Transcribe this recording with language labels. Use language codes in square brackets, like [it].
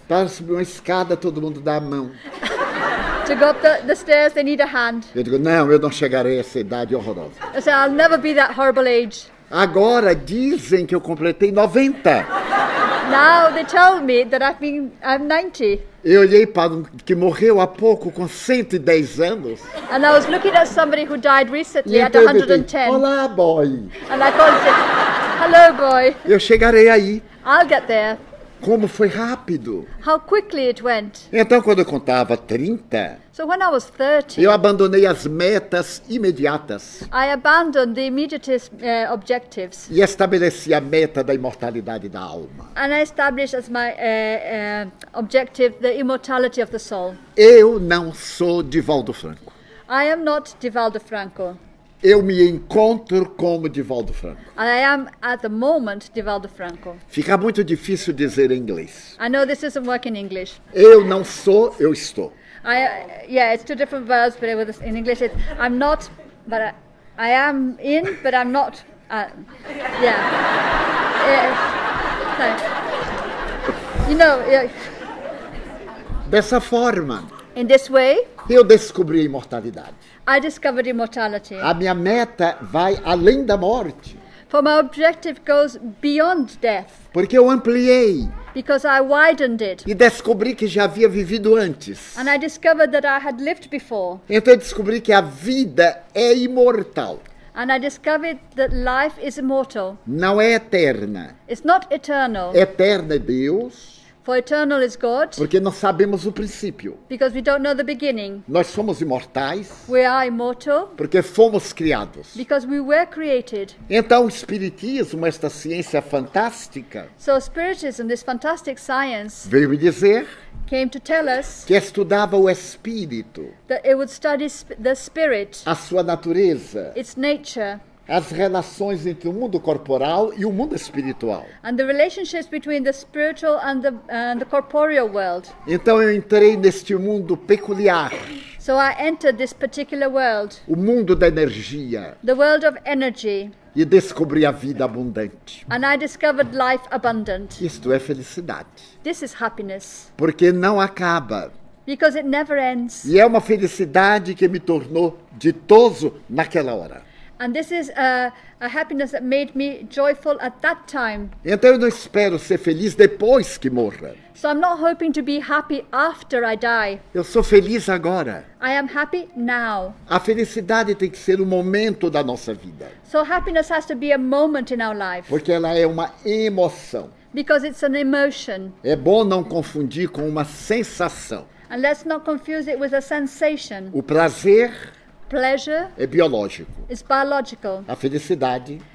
[pt] Para subir uma escada, todo mundo dá a mão. [en] To go up the stairs, they need a hand. [pt] Eu digo, não, eu não chegarei a essa idade horrorosa. [en] I said, I'll never be that horrible age. [pt] Agora dizem que eu completei 90. [en] Now they tell me that I'm 90. [pt] Eu olhei para um que morreu há pouco com 110 anos. [en] And I was looking at somebody who died recently at 110. [pt] Olá, boy. [en] And I called him, hello, boy. [pt] Eu chegarei aí. [en] I'll get there. [pt] Como foi rápido. [en] How quickly it went. [pt] Então, quando eu contava 30, [en] so when I was 30, [pt] eu abandonei as metas imediatas. [en] I abandoned the immediate objectives. [pt] E estabeleci a meta da imortalidade da alma. [en] And I established as my objective the immortality of the soul. [pt] Eu não sou Divaldo Franco. [en] I am not Divaldo Franco. [pt] Eu me encontro como Divaldo Franco. [en] I am at the moment Divaldo Franco. [pt] Fica muito difícil dizer em inglês. [en] I know this doesn't work in English. [pt] Eu não sou, eu estou. [en] Yeah, it's two different verbs, but it was in English. It's, I'm not, but I am in, but I'm not. Yeah. You know. [pt] Dessa forma. [en] In this way. [pt] Eu descobri a imortalidade. [en] I discovered immortality. [pt] A minha meta vai além da morte. [en] For my objective goes beyond death. [pt] Porque eu ampliei. [en] Because I widened it. [pt] E descobri que já havia vivido antes. [en] And I discovered that I had lived before. [pt] Então eu descobri que a vida é imortal. [en] And I discovered that life is immortal. [pt] Não é eterna. [en] It's not eternal. [pt] Eterna é Deus. [en] For eternal is God. [pt] Porque nós sabemos o princípio. [en] Because we don't know the beginning. [pt] Nós somos imortais. [en] We are immortal. [pt] Porque fomos criados. [en] Because we were created. [pt] Então o espiritismo, esta ciência fantástica. [en] So spiritism, this fantastic science. [pt] Veio me dizer. [en] Came to tell us [pt] que estudava o espírito, [en] that it would study the spirit, [pt] a sua natureza, [en] its nature, [pt] as relações entre o mundo corporal e o mundo espiritual, [en] and the relationships between the spiritual and the corporeal world. [pt] Então eu entrei neste mundo peculiar. [en] So I entered this particular world, [pt] o mundo da energia, [en] the world of energy, [pt] e descobri a vida abundante. [en] And I discovered life abundant. [pt] Isto é felicidade. [en] This is happiness. [pt] Porque não acaba. [en] Because it never ends. [pt] E é uma felicidade que me tornou ditoso naquela hora. [en] And this is a happiness that made me joyful at that time. [pt] Então eu não espero ser feliz depois que morra. [en] So I'm not hoping to be happy after I die. [pt] Eu sou feliz agora. [en] I am happy now. [pt] A felicidade tem que ser um momento da nossa vida. [en] So happiness has to be a moment in our life. [pt] Porque ela é uma emoção. [en] Because it's an emotion. [pt] É bom não confundir com uma sensação. [en] And let's not confuse it with a sensation. [pt] O prazer. [en] Pleasure [pt] é biológico. [en] It's biological. [pt] A felicidade.